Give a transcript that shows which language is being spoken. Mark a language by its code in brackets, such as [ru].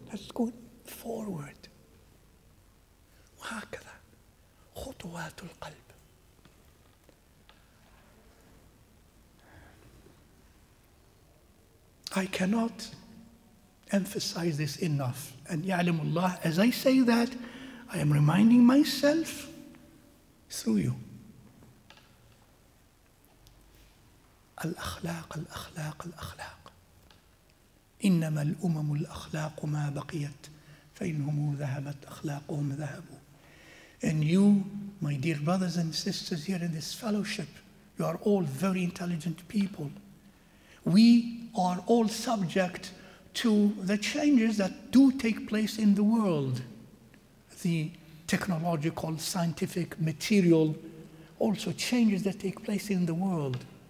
[en] That's going forward. [ar] وَهَكَذَا خُطُوَاتُ الْقَلْبِ. [en] I cannot emphasize this enough. And [ar] يَعْلَمُ اللَّهِ, [en] as I say that, I am reminding myself through you. [ar] الأخلاق الأخلاق الأخلاق إنما الأمم الأخلاق ما بقيت فإنهم ذهبت أخلاقهم ذهبوا. [en] And you, my dear brothers and sisters here in this fellowship, you are all very intelligent people. We are all subject to the changes that do take place in the world. The technological, scientific, material, also changes that take place in the world.